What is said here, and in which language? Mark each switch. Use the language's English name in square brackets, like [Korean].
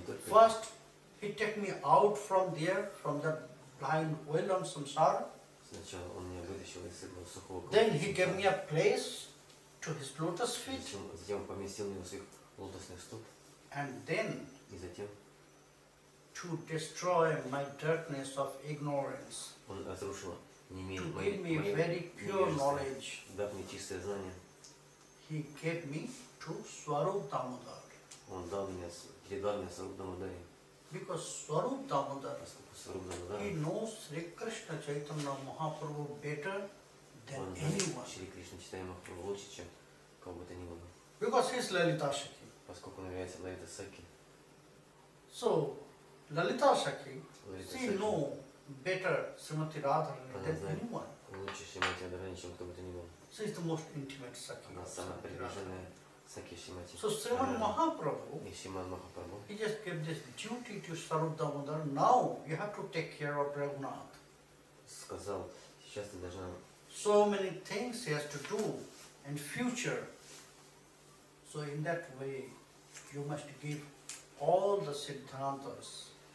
[English] First, he took me out from there, from the blind well on samsara. [Russian] Сначала он меня вытащил из этого сухого колодца. [English] Then he gave me a place to his lotus feet. [Russian] Затем поместил меня в своих лотосных стоп. [English] And then, [Russian] и затем, [English] to destroy my darkness of ignorance, [Russian] он разрушил [English] very pure knowledge, [Russian] дав мне чистое знание, [English] he gave me to Swarup Damodar. [Russian] Он дал мне, передал мне Swarup Damodar. [English] Because Swarup Damodar, [Russian] Swarup Damodar, [English] he knows Sri Krishna Chaitanya Mahaprabhu better than [Russian] он [English] anyone. [Russian] Sri Krishna Chaitanya Mahaprabhu лучше, чем кого бы то ни было. [English] Because he is Lalita Shakti. [Russian] Поскольку он является Лалита Саки. [English] So, Лалита Шаки, she know better Srimati Radha than anyone. [Russian] Лучше Шримати Радхарани, чем кто бы то ни был. [English] She is the most intimate Саки. [Russian] Она самая приближенная Саки Шримати. [English] So, Sriman Mahaprabhu, [Russian] и Шриман Махапрабху, [English] he just gave this duty to Swarup Damodar. Now, you have to take care of Raghunath. [Russian] Сказал, сейчас ты должна... [English] So many things he has to do in future. So in that way, you must give all the siddhantas